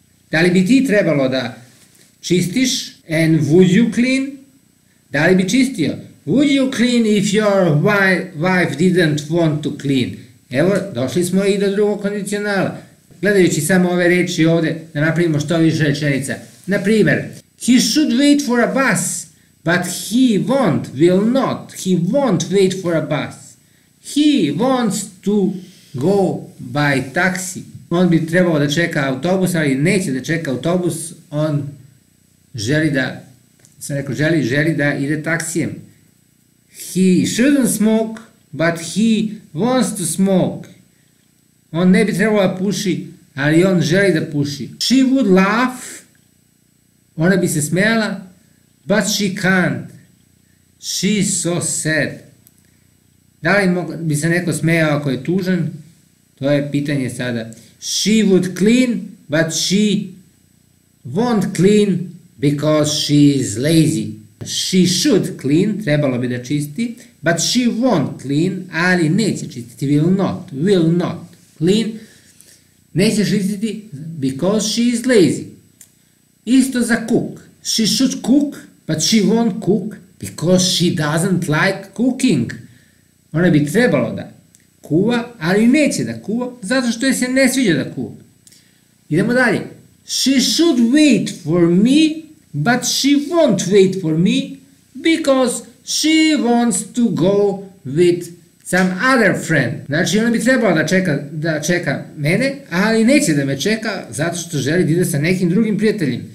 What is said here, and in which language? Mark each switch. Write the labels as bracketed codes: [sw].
[sr] Da li bi ti trebalo da čistiš? [en] And would you clean? [sr] Da li bi čistio? [en] Would you clean if your wife didn't want to clean? [sr] Evo, došli smo I do drugog kondicionala. Gledajući samo ove reči ovdje, da napravimo što više rečenica. Naprimjer, [en] he should wait for a bus, but he won't, will not. He won't wait for a bus. He wants to go by taxi. [sr] On bi trebao da čeka autobus, ali neće da čeka autobus. On želi da, sam rekao želi da ide taksijem. [en] He shouldn't smoke, but he wants to smoke. [sr] On ne bi trebao da puši, ali on želi da puši. [en] She would laugh, [sr] ona bi se smijala, [en] but she can't. She's so sad. [sr] Da li bi se neko smijao ako je tužan? To je pitanje sada. She would clean, but she won't clean because she is lazy. [en] She should clean, [sr] trebalo bi da čisti, [en] but she won't clean, [sr] ali neće čistiti, [en] will not clean. [sr] Neće čistiti [en] because she is lazy. [sr] Isto za [en] cook. She should cook, but she won't cook because she doesn't like cooking. [sr] Ona bi trebalo da kuva, ali neće da kuva, zato što je se ne sviđa da kuva. Idemo dalje. [en] She should wait for me, but she won't wait for me, because she wants to go with some other friend. [sr] Znači, ona bi trebala da čeka mene, ali neće da me čeka zato što želi da ide sa nekim drugim prijateljem.